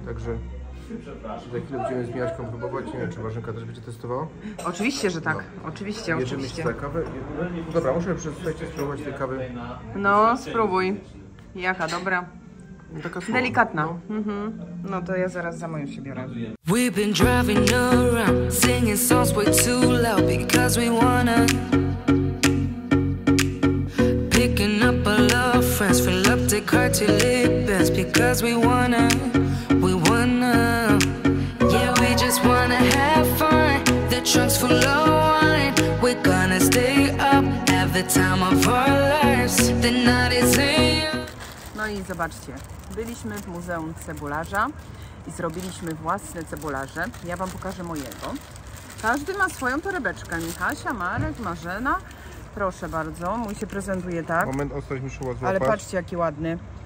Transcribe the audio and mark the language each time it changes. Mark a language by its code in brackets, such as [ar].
[pl] Także za chwilę będziemy z Miaśką próbować. Nie wiem, czy Marzenka też będzie testowała? Oczywiście, że tak. No. Oczywiście, oczywiście. Jeżeli kawę. Dobra, muszę przestać spróbować tej kawy. No, spróbuj. Jaka, dobra. Taka delikatna. Mm-hmm. No to ja zaraz za moją się biorę. [en] We've been driving around, singing songs way too loud because we wanna. Picking up a love friends, fill up the car to live best because we wanna. We wanna. Yeah, we just wanna have fun. The trunk's full of wine. We're gonna stay up, have the time of our lives. The night is here. [pl] No i zobaczcie. Byliśmy w Muzeum Cebularza i zrobiliśmy własne cebularze. Ja wam pokażę mojego. Każdy ma swoją torebeczkę. Michasia, Marek, Marzena. Proszę bardzo, mój się prezentuje tak. Moment, ostać mi szło złapać. Ale patrzcie, jaki ładny.